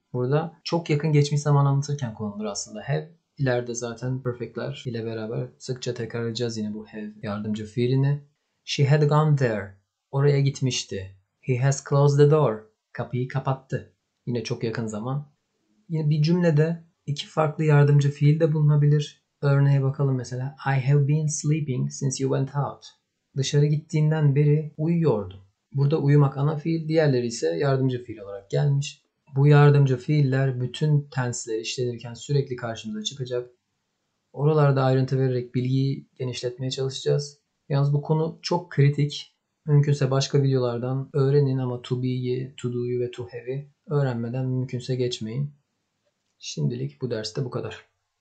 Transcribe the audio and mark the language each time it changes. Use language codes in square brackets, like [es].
[tr] Burada çok yakın geçmiş zaman anlatırken kullanılır aslında have. İleride zaten perfectler ile beraber sıkça tekrar edeceğiz yine bu have yardımcı fiilini. [en] She had gone there. [tr] Oraya gitmişti. [en] He has closed the door. [tr] Kapıyı kapattı. Yine çok yakın zaman. Yine bir cümlede iki farklı yardımcı fiil de bulunabilir. Örneğe bakalım mesela. [en] I have been sleeping since you went out. [tr] Dışarı gittiğinden beri uyuyordum. Burada uyumak ana fiil, diğerleri ise yardımcı fiil olarak gelmiş. Bu yardımcı fiiller bütün tense'ler işlenirken sürekli karşımıza çıkacak. Oralarda ayrıntı vererek bilgiyi genişletmeye çalışacağız. Yalnız bu konu çok kritik. Mümkünse başka videolardan öğrenin ama to be'yi, to do'yu ve to have'i öğrenmeden mümkünse geçmeyin. Şimdilik bu derste bu kadar.